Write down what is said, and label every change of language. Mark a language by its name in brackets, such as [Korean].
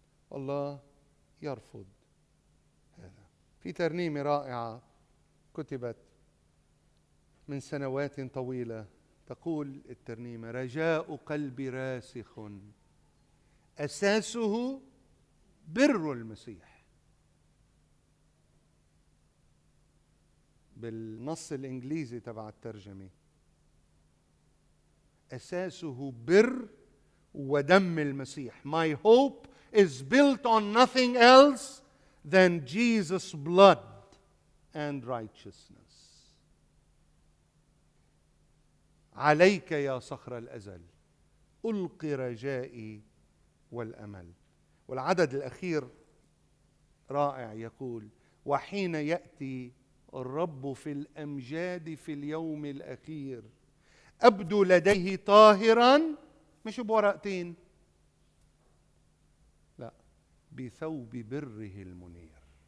[Arabic] والله يرفض هذا. في ترنيمة رائعة كتبت من سنوات طويلة، تقول الترنيمة: رجاء قلبي راسخ أساسه بر المسيح. بالنص الإنجليزي تبع الترجمة: أساسه بر ودم المسيح. [English] My hope is built on nothing else than Jesus' blood and righteousness. [Arabic] عليك يا صخر الأزل ألقي رجائي والأمل. والعدد الأخير رائع، يقول: وحين يأتي الرب في الأمجاد في اليوم الأخير أبدو لديه طاهرا، مش بورقتين، لا، بثوب بره المنير.